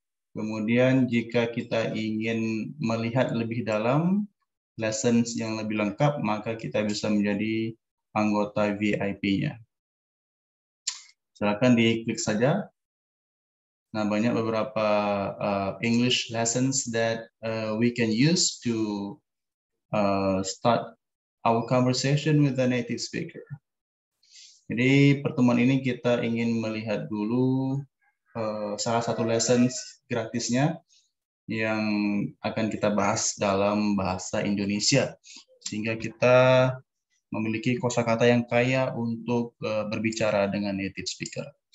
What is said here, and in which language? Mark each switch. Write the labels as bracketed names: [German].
[Indonesian] Kemudian jika kita ingin melihat lebih dalam lessons yang lebih lengkap, maka kita bisa menjadi anggota VIP-nya. Silakan diklik saja. Nah, banyak beberapa [English] English lessons that we can use to start our conversation with the native speaker. [Indonesian] Jadi pertemuan ini kita ingin melihat dulu salah satu lessons gratisnya yang akan kita bahas dalam bahasa Indonesia, sehingga kita memiliki kosakata yang kaya untuk berbicara dengan native speaker.